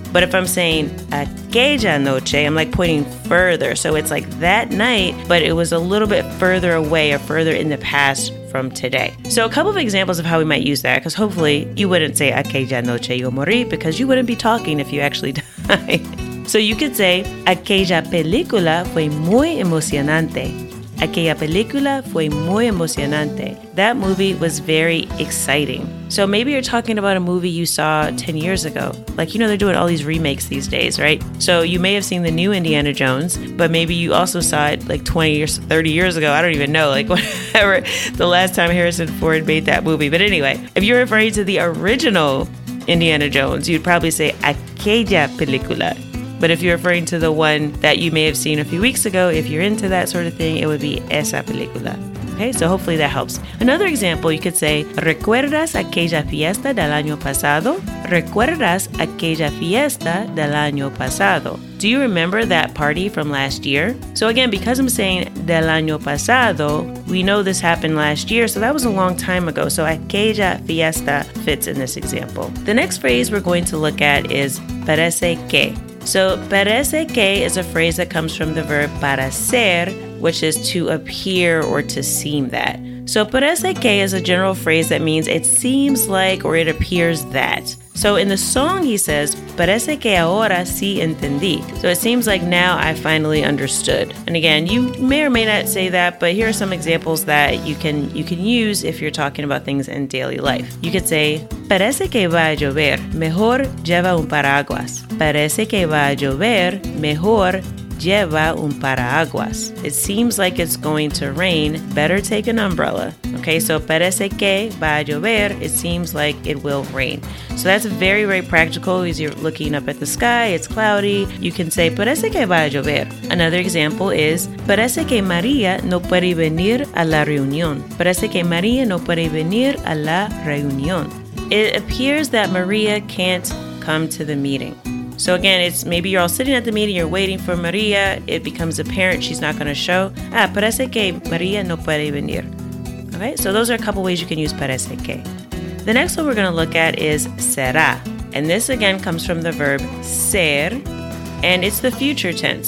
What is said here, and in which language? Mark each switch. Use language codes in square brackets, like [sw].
[en] But if I'm saying [es] aquella noche, [en] I'm like pointing further. So it's like that night, but it was a little bit further away or further in the past from today. So a couple of examples of how we might use that, because hopefully you wouldn't say [es] aquella noche yo morí [en] because you wouldn't be talking if you actually died. So you could say, [es] aquella película fue muy emocionante. Aquella película fue muy emocionante. [en] That movie was very exciting. So maybe you're talking about a movie you saw 10 years ago. Like, you know, they're doing all these remakes these days, right? So you may have seen the new Indiana Jones, but maybe you also saw it like 20 or 30 years ago. I don't even know, like whatever the last time Harrison Ford made that movie. But anyway, if you're referring to the original Indiana Jones, you'd probably say [es] aquella película. [en] But if you're referring to the one that you may have seen a few weeks ago, if you're into that sort of thing, it would be [es] esa película. [en] Okay, so hopefully that helps. Another example, you could say, [es] ¿recuerdas aquella fiesta del año pasado? ¿Recuerdas aquella fiesta del año pasado? [en] Do you remember that party from last year? So again, because I'm saying [es] del año pasado, [en] we know this happened last year, so that was a long time ago. So aquella fiesta fits in this example. The next phrase we're going to look at is parece que. So parece que is a phrase that comes from the verb parecer, which is to appear or to seem that. So parece que is a general phrase that means it seems like or it appears that. So in the song he says, [es] parece que ahora sí entendí. [en] So it seems like now I finally understood. And again, you may or may not say that, but here are some examples that you can use if you're talking about things in daily life. You could say, [es] parece que va a llover, mejor lleva un paraguas. Parece que va a llover, mejor lleva un paraguas. [en] It seems like it's going to rain. Better take an umbrella. Okay, so [es] parece que va a llover. [en] It seems like it will rain. So that's very, very practical as you're looking up at the sky. It's cloudy. You can say [es] parece que va a llover. [en] Another example is [es] parece que María no puede venir a la reunión. Parece que María no puede venir a la reunión. [en] It appears that María can't come to the meeting. So again, it's maybe you're all sitting at the meeting, you're waiting for Maria, it becomes apparent she's not going to show. [es] Ah, parece que Maria no puede venir. [en] Okay, so those are a couple ways you can use parece que. The next one we're going to look at is será. And this again comes from the verb ser, and it's the future tense.